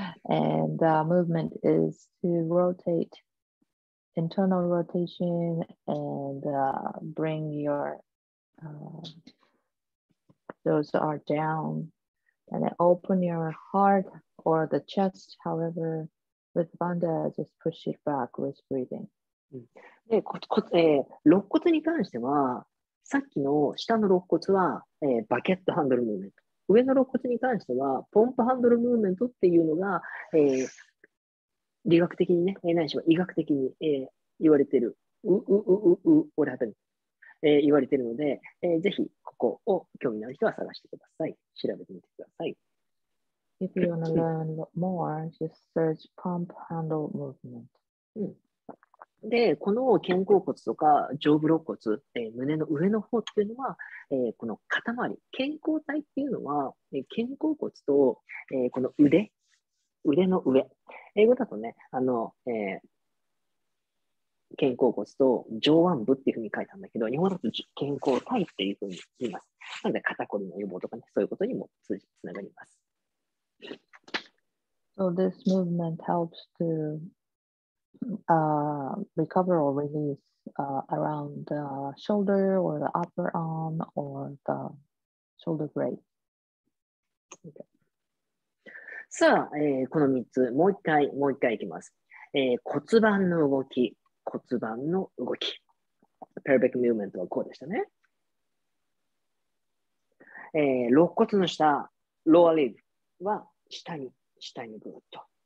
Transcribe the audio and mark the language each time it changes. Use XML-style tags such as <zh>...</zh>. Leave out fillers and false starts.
<en>And the movement is to rotate, internal rotation, and bring your... Those are down, and then open your heart or the chest. However, with Banda, just push it back with breathing.</en> <ja>で、肋骨に関しては、さっきの下の肋骨は、バケットハンドルムーブメント。上の肋骨に関しては、ポンプハンドルムーブメントっていうのが、理学的にね、ないしは医学的に、言われている。言われているので、ぜひここを興味のある人は探してください。調べてみてください。</ja> <en>If you want to learn more, just search pump handle movement.</en> <ja>で、この肩甲骨とか上部肋骨、胸の上の方っていうのは、この肩周り、肩甲体っていうのは、肩甲骨と、この腕の上。英語だとね、肩甲骨と上腕部っていうふうに書いたんだけど、日本だと肩甲体っていうふうに言います。なので肩こりの予防とかね、そういうことにもつながります。</ja> <en>So this movement helps to recover or release around the shoulder or the upper arm or the shoulder blade. Okay.</en> <ja>さあ、この3つ、もう1回いきます。骨盤の動き、骨盤の動き。</ja> <en>Pelvic movement</en> <ja>はこうでしたね。肋骨の下、</ja> <en>lower rib</en> <ja>は下にぐっと。</ja>